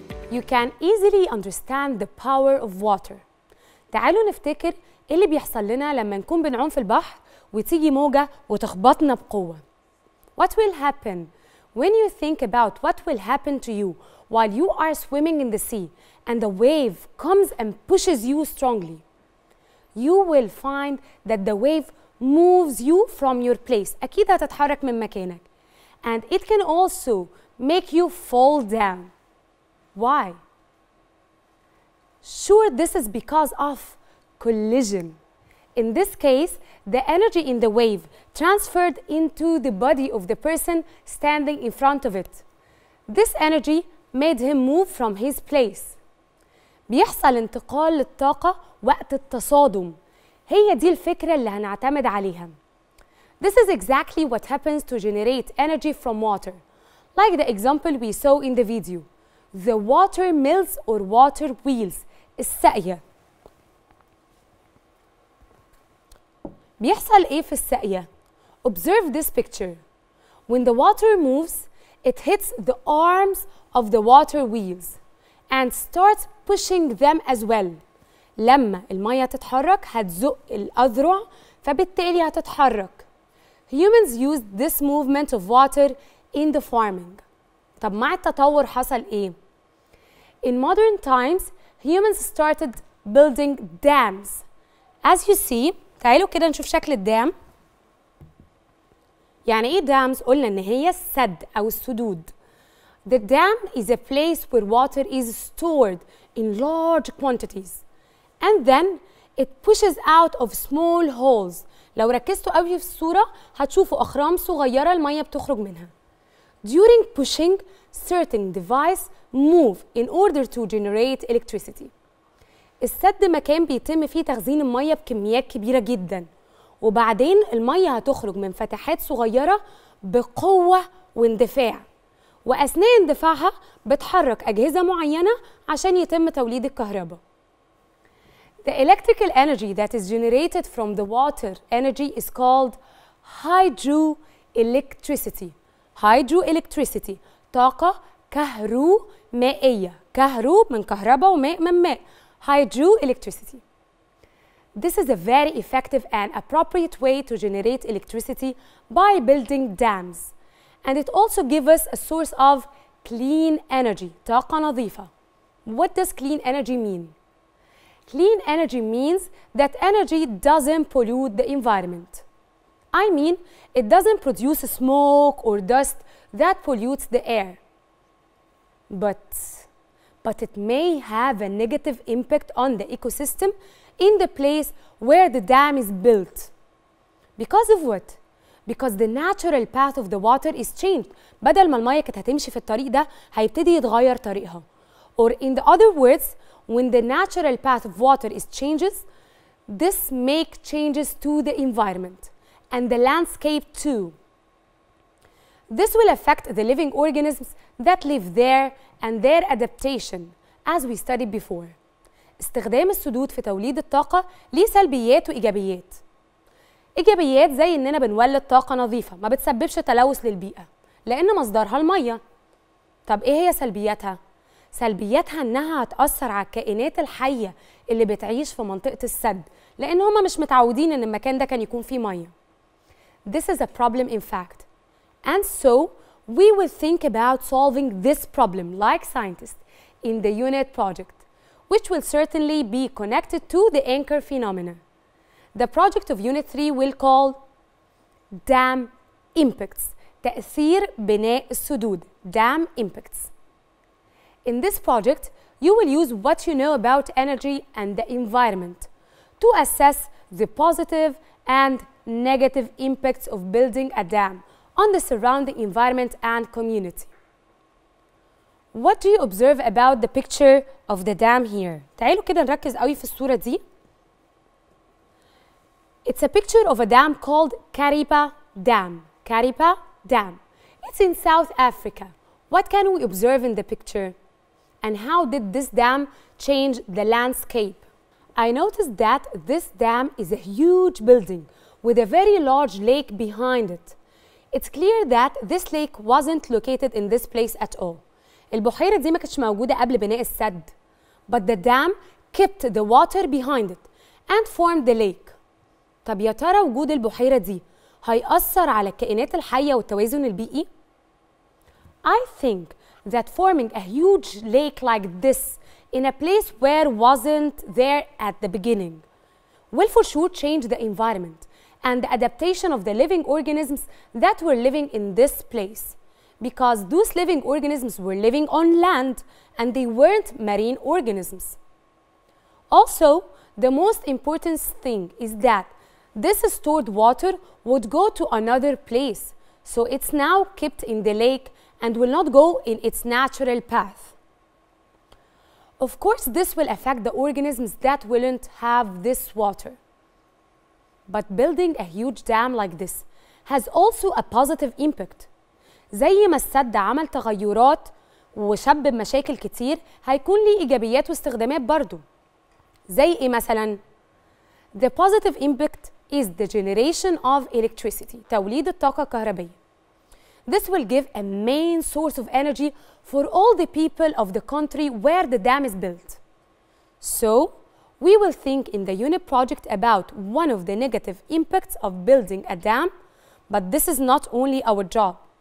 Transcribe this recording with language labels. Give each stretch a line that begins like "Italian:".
English: You can easily understand the power of water.
Arabic: تعالوا نفتكر إيه اللي بيحصل لنا لما نكون بنعوم في البحر وتيجي موجة وتخبطنا بقوة.
English: What will happen when you think about what will happen to you while you are swimming in the sea and the wave comes and pushes you strongly? You will find that the wave moves you from your place.
Arabic: أكيد هتتحرك من مكانك.
English: And it can also make you fall down. Why? Sure, this is because of collision. In this case, the energy in the wave transferred into the body of the person standing in front of it. This energy made him move from his place.
Arabic: بيحصل انتقال للطاقة وقت التصادم. هي دي الفكرة اللي هنعتمد عليها.
English: This is exactly what happens to generate energy from water. Like the example we saw in the video. The water mills or water wheels.
Arabic: السقية. بيحصل إيه في السقية؟
English: Observe this picture. When the water moves, it hits the arms of the water wheels and starts pushing them as well.
Arabic: لما المية تتحرك هتزق الأذرع فبالتالي هتتحرك.
English: Humans used this movement of water in the farming.
Arabic: طب مع التطور حصل إيه؟
English: In modern times, humans started building dams. As you see,
Arabic: تعالوا كده نشوف شكل الدام. يعني ايه dams؟ قلنا ان هي السد او السدود.
English: The dam is a place where water is stored in large quantities. And then it pushes out of small holes.
Arabic: لو ركزتوا قوي في الصورة هتشوفوا اخرام صغيرة المية بتخرج منها.
English: During pushing, certain device move in order to generate electricity.
Arabic: السد مكان بيتم فيه تخزين المية بكميات كبيرة جدا. وبعدين المية هتخرج من فتحات صغيرة بقوة واندفاع. وأثناء اندفاعها بتحرك أجهزة معينة عشان يتم توليد الكهرباء.
English: The electrical energy that is generated from the water energy is called hydroelectricity.
Arabic: Hydroelectricity طاقة كهرومائية. كهرو من كهرباء وماء من ماء.
English: Hydroelectricity. This is a very effective and appropriate way to generate electricity by building dams. And it also gives us a source of clean energy.
Arabic: طاقة نظيفة.
English: What does clean energy mean? Clean energy means that energy doesn't pollute the environment. I mean, it doesn't produce smoke or dust that pollutes the air. But it may have a negative impact on the ecosystem in the place where the dam is built. Because of what? Because the natural path of the water is changed.
Arabic: بدل ما المية كانت هتمشي في الطريق ده هيبتدي يتغير طريقها.
English: Or in the other words, when the natural path of water is changes, this make changes to the environment. And the landscape too. This will affect the living organisms that live there and their adaptation, as we studied before.
Arabic: استخدام السدود في توليد الطاقة ليه سلبيات وإيجابيات. إيجابيات زي إننا بنولد طاقة نظيفة ما بتسببش تلوث للبيئة لأن مصدرها المية. طب إيه هي سلبياتها؟ سلبياتها إنها هتأثر على الكائنات الحية اللي بتعيش في منطقة السد لأن هما مش متعودين إن المكان ده كان يكون فيه مية.
English: This is a problem in fact. And so, we will think about solving this problem like scientists in the UNET project. which will certainly be connected to the anchor phenomena. The project of Unit 3 will call dam impacts,
Arabic: تأثير بناء السدود,
English: dam impacts. In this project, you will use what you know about energy and the environment to assess the positive and negative impacts of building a dam on the surrounding environment and community. What do you observe about the picture of the dam here?
Arabic: تعالوا كده نركز قوي في الصورة دي.
English: It's a picture of a dam called Karipa Dam. Karipa Dam. It's in South Africa. What can we observe in the picture? And how did this dam change the landscape? I noticed that this dam is a huge building with a very large lake behind it. It's clear that this lake wasn't located in this place at all.
Arabic: البحيرة دي ما كانتش موجودة قبل بناء السد.
English: But the dam kept the water behind it and formed the lake.
Arabic: طب يا ترى وجود البحيرة دي هيأثر على الكائنات الحية والتوازن البيئي؟
English: I think that forming a huge lake like this in a place where wasn't there at the beginning will for sure change the environment and the adaptation of the living organisms that were living in this place. Because those living organisms were living on land and they weren't marine organisms. Also, the most important thing is that this stored water would go to another place. So it's now kept in the lake and will not go in its natural path. Of course, this will affect the organisms that wouldn't have this water. But building a huge dam like this has also a positive impact.
Arabic: زي ما السد عمل تغيرات وشب مشاكل كتير هيكون لي إيجابيات واستخدامات برضو. زي إيه مثلا؟
English: The positive impact is the generation of electricity,
Arabic: توليد الطاقة الكهربية.
English: This will give a main source of energy for all the people of the country where the dam is built. So, we will think in the unit project about one of the negative impacts of building a dam, but this is not only our job.